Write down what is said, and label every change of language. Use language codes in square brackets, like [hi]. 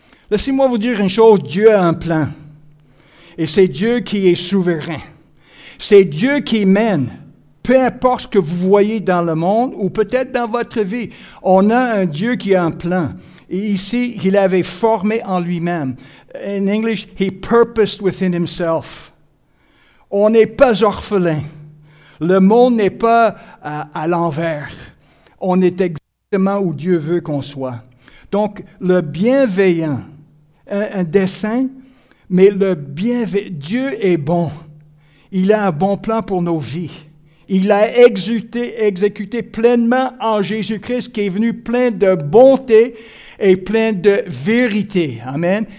[fr] Laissez-moi vous dire une chose, Dieu a un plan. Et c'est Dieu qui est souverain. C'est Dieu qui mène, peu importe ce que vous voyez dans le monde ou peut-être dans votre vie. On a un Dieu qui a un plan. Et ici, il avait formé en lui-même. [en] In English, he purposed within himself. [fr] On n'est pas orphelin. Le monde n'est pas à l'envers. On est exactement où Dieu veut qu'on soit. Donc, le bienveillant, un dessein, mais le bienveillant, Dieu est bon. Il a un bon plan pour nos vies. Il a exécuté pleinement en Jésus-Christ qui est venu plein de bonté et plein de vérité. Amen.